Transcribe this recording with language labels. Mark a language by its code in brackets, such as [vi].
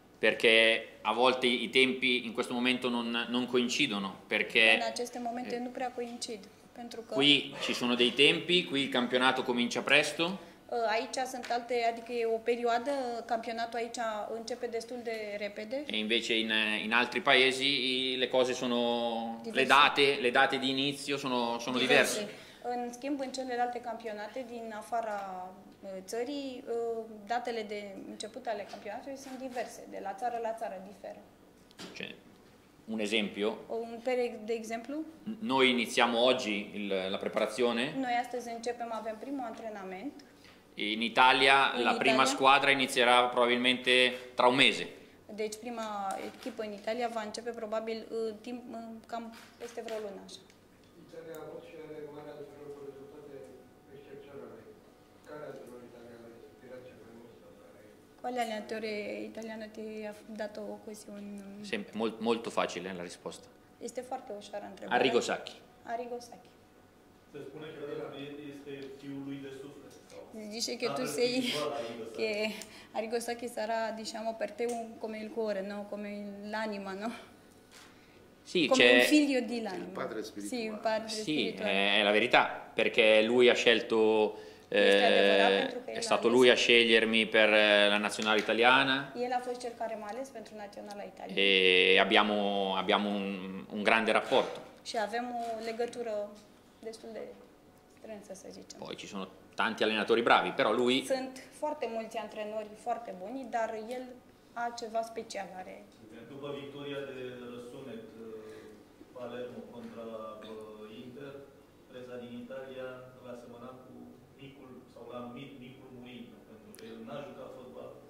[it] Perché a volte i tempi in questo momento non coincidono, perché in questo momento non [ro] prea coincide, pentru că [it] qui ci sono dei tempi, qui il campionato comincia presto. [ro] Aici sunt alte, adică e o perioadă, campionatul aici începe destul de repede. [it] E invece in altri paesi le cose sono diverse. le date di inizio sono diverse. [ro] În schimb, în celelalte campionate din afara țării, datele de început ale campionatului sunt diverse, de la țară la țară diferă. [it] Cioè, un esempio? [ro] De exemplu? [it] Noi iniziamo oggi la preparazione. [ro] Noi astăzi începem, avem primul antrenament. [it] In Italia prima squadra inizierà probabilmente tra un mese. [ro] Deci prima echipă în Italia va începe probabil timp cam peste vreo lună așa. [it] Quale allenatore italiano ti ha dato così un... Sempre, molto, molto facile la risposta. [ro] Este foarte ușoară întrebare. Arrigo Sacchi. Arrigo Sacchi. Se spune că este fiul lui de suflet. [it] Se dice che tu sei... Che Arrigo Sacchi sarà, diciamo, per te come il cuore, no? Come l'anima, no? Sì, come c'è... un figlio di l'anima. Il padre spirituale. Sì, è la verità, perché lui ha scelto È stato lui a scegliermi per la nazionale italiana. [ro] El a fost cel care m-a ales pentru naționala italiană. [it] E abbiamo un grande rapporto. [ro] Și avem o legătură destul de strânsă, să zicem. [it] Poi ci sono tanti allenatori bravi, però lui... [ro] Sunt foarte mulți antrenori foarte buni, dar el a ceva special, are... După victoria de răsunet Palermo contra Inter, presa din Italia l-a asemănat cu micul, sau l-a numit micul Mourinho, pentru că el n-a jucat fotbal.